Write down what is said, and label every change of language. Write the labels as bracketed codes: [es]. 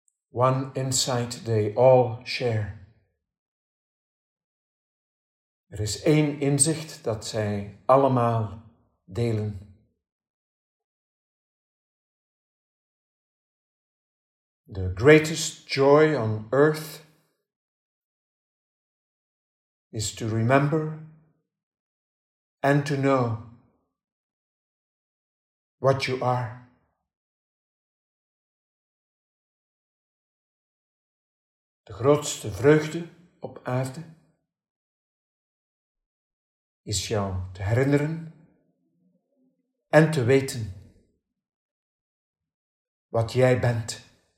[en] One insight they all share. [nl] Er is één inzicht dat zij allemaal delen. [en] The greatest joy on earth is to remember and to know what you are. [nl] De grootste vreugde op aarde is jou te herinneren en te weten wat jij bent.